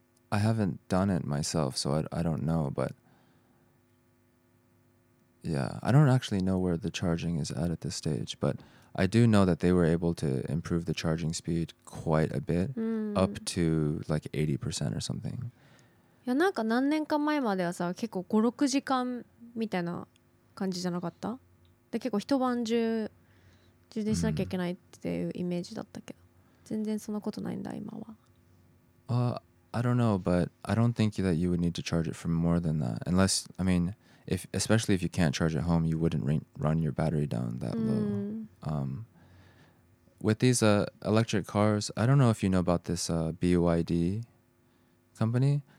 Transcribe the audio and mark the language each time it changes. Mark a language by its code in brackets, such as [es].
[en] I haven't done it myself, so I don't know. But yeah, I don't actually know where the charging is at this stage. But I do know that they were able to improve the charging speed quite a bit, up to like 80% or something. [ja] いやなんか何年か前まではさ結構5、6時間みたいな感じじゃなかった？で結構一晩中充電しなきゃいけないっていうイメージだったけど、全然そんなことないんだ今は。 [en] I don't know, but I don't think that you would need to charge it for more than that. Unless, I mean, especially if you can't charge at home, you wouldn't run your battery down that low. With these electric cars, I don't know if you know about this BYD company.